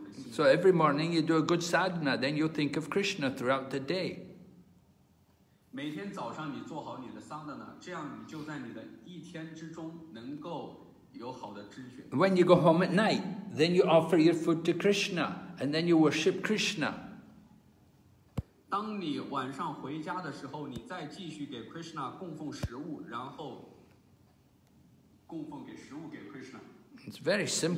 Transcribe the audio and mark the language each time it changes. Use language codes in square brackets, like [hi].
[en] So every morning you do a good sadhana, then you think of Krishna throughout the day. [zh] 每天早上你做好你的桑德纳，这样你就在你的一天之中能够有好的知觉。 [en] When you go home at night, then you offer your food to Krishna, and then you worship Krishna. [zh] 当你晚上回家的时候，你再继续给 Krishna 供奉食物，然后供奉给食物给 Krishna. [en] It's very simple.